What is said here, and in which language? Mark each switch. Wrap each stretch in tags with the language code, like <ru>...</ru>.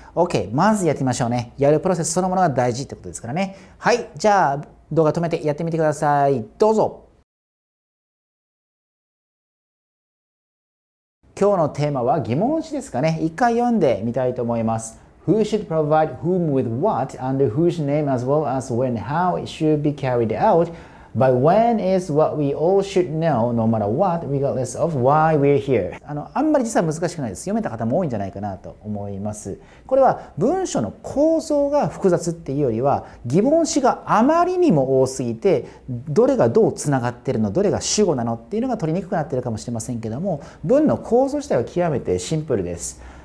<ja>OK、 まずやってみましょうね。やるプロセスそのものが大事ってことですからね。はい、じゃあ動画止めてやってみてください。どうぞ。今日のテーマは疑問詞ですかね。一回読んでみたいと思います。</ja> <en>Who should provide whom with what and whose name as well as when how it should be carried out by when is what we all should know no matter what regardless of why we're here。</en> <ja>あんまり実は難しくないです。読めた方も多いんじゃないかなと思います。これは文章の構造が複雑っていうよりは、疑問詞があまりにも多すぎて、どれがどうつながってるの、どれが主語なのっていうのが取りにくくなってるかもしれませんけども、文の構造自体は極めてシンプルです。</ja>